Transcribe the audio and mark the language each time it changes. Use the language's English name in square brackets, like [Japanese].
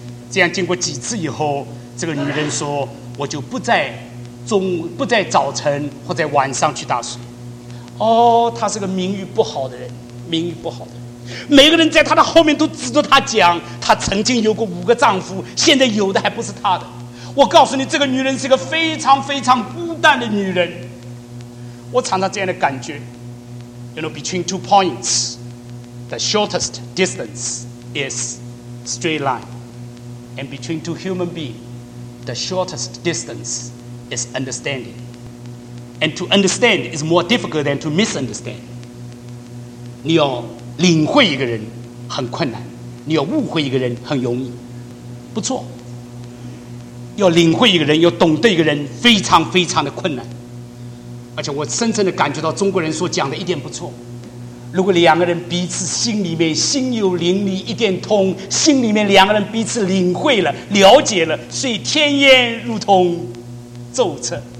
[Chinese] 这样经过几次以后，这个女人说，我就不在早晨或在晚上去打水。哦，她是个名誉不好的人，名誉不好的人，每个人在她的后面都指着她讲，她曾经有过五个丈夫，现在有的还不是她的。我告诉你，这个女人是个非常非常孤单的女人。我常常这样的感觉， [English] You know, between two points, the shortest distance is straight line, and between two human beings, the shortest distance is understanding. And to understand is more difficult than to misunderstand. [Chinese] 你要领会一个人很困难，你要误会一个人很容易。不错，要领会一个人，要懂得一个人，非常非常的困难。而且我深深的感觉到中国人所讲的一点不错，如果两个人彼此心里面心有灵犀一点通，心里面两个人彼此领会了了解了，所以天烟如同奏彻。